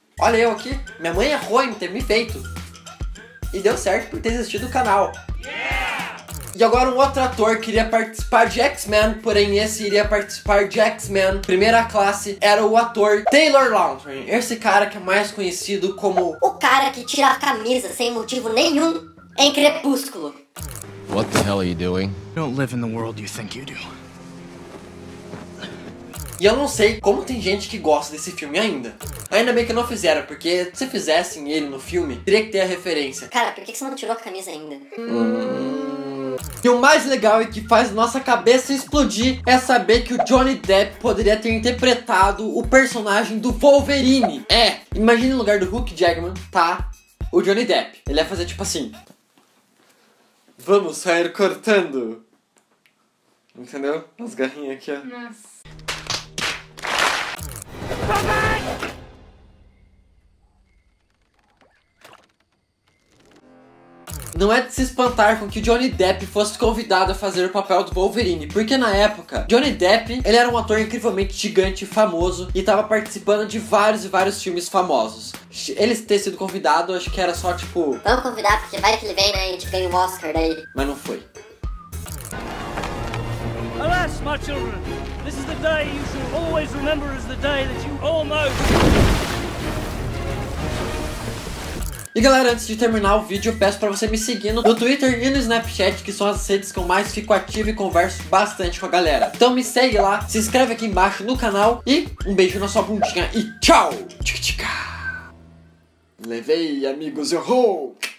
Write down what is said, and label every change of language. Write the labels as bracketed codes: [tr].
[pt] Olha eu aqui, minha mãe errou em ter me feito. E deu certo por ter existido o canal. Yeah! E agora um outro ator que iria participar de X-Men, porém esse iria participar de X-Men primeira classe, era o ator Taylor Lautner. Esse cara que é mais conhecido como o cara que tira a camisa sem motivo nenhum em Crepúsculo. [en] What the hell are you doing? Don't live in the world you think you do. [pt] E eu não sei como tem gente que gosta desse filme ainda. Ainda bem que não fizeram, porque se fizessem ele no filme, teria que ter a referência. Cara, por que você não tirou a camisa ainda? E o mais legal e que faz nossa cabeça explodir é saber que o Johnny Depp poderia ter interpretado o personagem do Wolverine. É, imagine no lugar do Hugh Jackman, tá? O Johnny Depp. Ele ia fazer tipo assim. Vamos sair cortando. Entendeu? As garrinhas aqui, ó. Nossa. Não é de se espantar com que o Johnny Depp fosse convidado a fazer o papel do Wolverine, porque na época, Johnny Depp, ele era um ator incrivelmente gigante e famoso e estava participando de vários e vários filmes famosos. Ele ter sido convidado, acho que era só tipo... Vamos convidar porque vai que ele vem, né, a gente ganha um Oscar daí. Mas não foi. [en] Alas, my children, this is the day you shall always remember as the day that you almost... [pt] E galera, antes de terminar o vídeo, eu peço pra você me seguir no Twitter e no Snapchat, que são as redes que eu mais fico ativo e converso bastante com a galera. Então me segue lá, se inscreve aqui embaixo no canal e um beijo na sua bundinha e tchau! Tchica, tchica. Levei, amigos, errou!